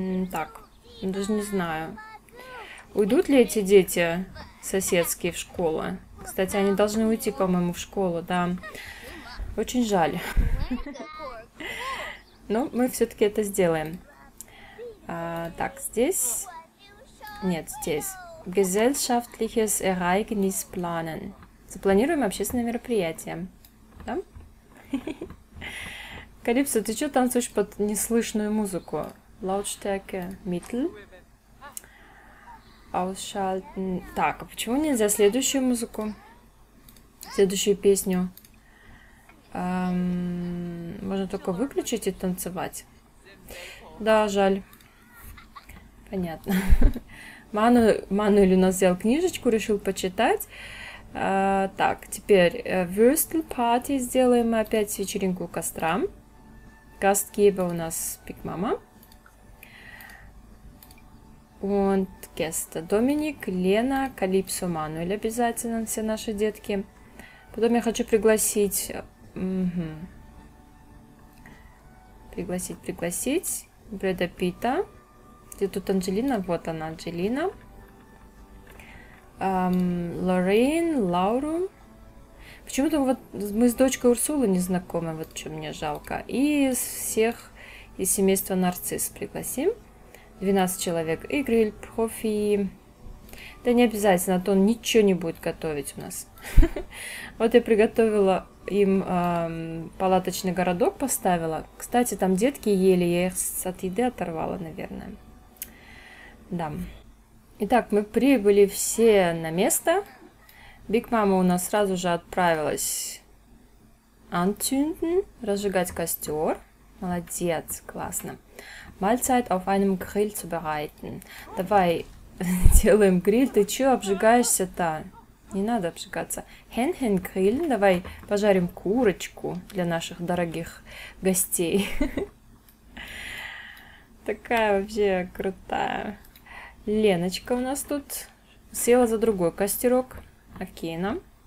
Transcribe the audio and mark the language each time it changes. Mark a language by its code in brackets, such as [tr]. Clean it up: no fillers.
[ru] Так, даже не знаю. Уйдут ли эти дети соседские в школу? Кстати, они должны уйти, по-моему, в школу, да. Очень жаль. Но мы все-таки это сделаем. Так, здесь... Нет, здесь. [de] Gesellschaftliches Ereignis planen. [ru] Запланируем общественное мероприятие. Да? Калипсо, ты что танцуешь под неслышную музыку? [de] Lautstärke Mittel. Ausschalten. [ru] Так, а почему нельзя следующую музыку? Следующую песню. Можно только выключить и танцевать. Да, жаль. Понятно. Мануэль у нас взял книжечку, решил почитать. Так, теперь [de] Würstel Party [ru] сделаем. Мы опять вечеринку у костра. Gastgeber у нас Big Mama. [de] Und Gäste. [ru] Доминик, Лена, Калипсо, Мануэль обязательно, все наши детки. Потом я хочу пригласить... Пригласить Брэда Питта. Где тут Анджелина? Вот она, Анджелина. Лорейн, Лауру. Почему-то вот мы с дочкой Урсулы не знакомы, вот что мне жалко. И всех из семейства Нарцисс пригласим. 12 человек. Игриль, Профи. Да не обязательно, а то он ничего не будет готовить у нас. Вот я приготовила им палаточный городок, поставила. Кстати, там детки ели, я их от еды оторвала, наверное. Да. Итак, мы прибыли все на место. Биг Мама у нас сразу же отправилась anzünden, разжигать костер. Молодец, классно. [de] Mahlzeit auf einem Grill zu bereiten. [ru] Давай делаем гриль. Ты чё обжигаешься-то? Не надо обжигаться. [de] Hähnchen Grill. [ru] Давай пожарим курочку для наших дорогих гостей. Такая вообще крутая. Леночка у нас тут села за другой костерок. Акина.